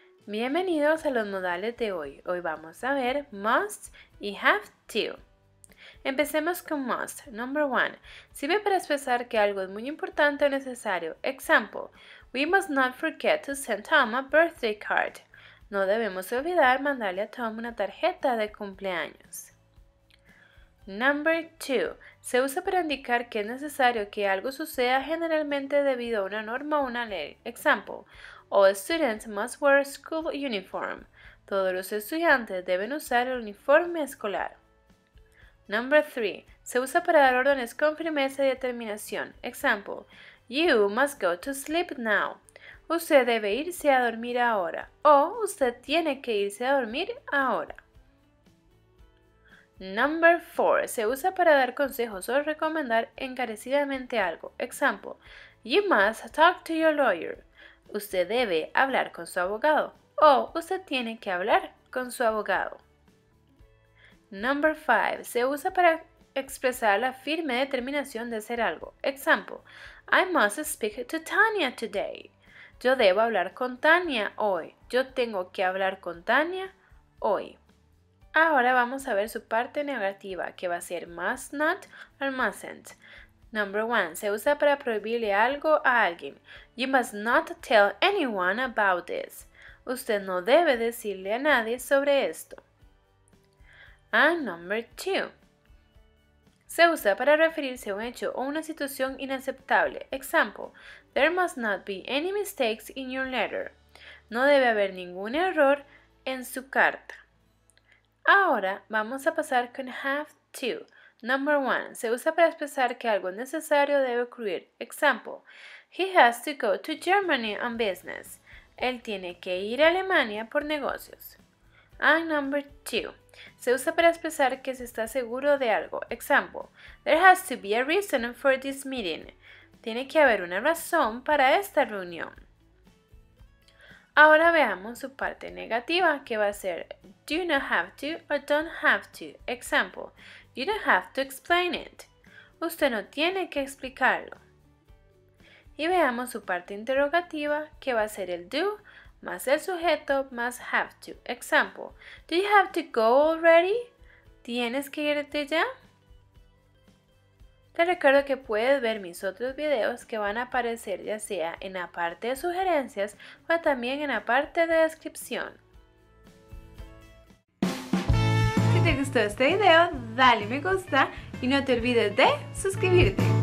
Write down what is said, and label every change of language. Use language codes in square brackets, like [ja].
[es] Bienvenidos a los modales de hoy. Hoy vamos a ver must y have to. Empecemos con must. [en] Number one. [es] Sirve para expresar que algo es muy importante o necesario. [en] Example. We must not forget to send Tom a birthday card. [es] No debemos olvidar mandarle a Tom una tarjeta de cumpleaños. [en] Number two. [es] Se usa para indicar que es necesario que algo suceda generalmente debido a una norma o una ley. [en] Example. All students must wear school uniform. [es] Todos los estudiantes deben usar el uniforme escolar. [en] Number three. [es] Se usa para dar órdenes con firmeza y determinación. [en] Example. You must go to sleep now. [es] Usted debe irse a dormir ahora. O usted tiene que irse a dormir ahora. [en] Number four. [es] Se usa para dar consejos o recomendar encarecidamente algo. [en] Example. You must talk to your lawyer. [es] Usted debe hablar con su abogado. O usted tiene que hablar con su abogado. [en] Number five. [es] Se usa para expresar la firme determinación de hacer algo. [en] Example. I must speak to Tanya today. [es] Yo debo hablar con Tanya hoy. Yo tengo que hablar con Tanya hoy. Ahora vamos a ver su parte negativa, que va a ser [en] must not or mustn't. Number one, [es] se usa para prohibirle algo a alguien. [en] You must not tell anyone about this. [es] Usted no debe decirle a nadie sobre esto. [en] And number two, [es] se usa para referirse a un hecho o una situación inaceptable. [en] Example, there must not be any mistakes in your letter. [es] No debe haber ningún error en su carta. Ahora vamos a pasar con have to. [en] Number one, [es] se usa para expresar que algo necesario debe ocurrir. [en] Example, he has to go to Germany on business. [es] Él tiene que ir a Alemania por negocios. [en] And number two, [es] se usa para expresar que se está seguro de algo. [en] Example, there has to be a reason for this meeting. [es] Tiene que haber una razón para esta reunión. Ahora veamos su parte negativa, que va a ser [en] do not have to or don't have to. Example, you don't have to explain it. [es] Usted no tiene que explicarlo. Y veamos su parte interrogativa, que va a ser el do más el sujeto más have to. [en] Example, do you have to go already? [es] ¿Tienes que irte ya? Te recuerdo que puedes ver mis otros videos que van a aparecer ya sea en la parte de sugerencias o también en la parte de descripción. Si te gustó este video, dale me gusta y no te olvides de suscribirte.